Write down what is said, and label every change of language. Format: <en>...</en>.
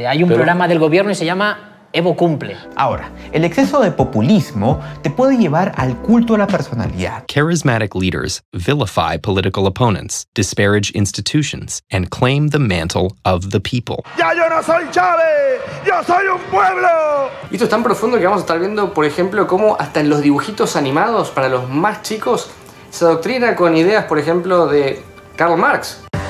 <es>Hay un programa del gobierno y se llama Evo Cumple. Ahora, el exceso de populismo te puede llevar al culto a la personalidad.</es> <en>Charismatic leaders vilify political opponents, disparage institutions, and claim the mantle of the people.</en> <es>¡Ya yo no soy Chávez! ¡Yo soy un pueblo! Y esto es tan profundo que vamos a estar viendo, por ejemplo, cómo hasta en los dibujitos animados para los más chicos se adoctrina con ideas, por ejemplo, de Karl Marx.</es>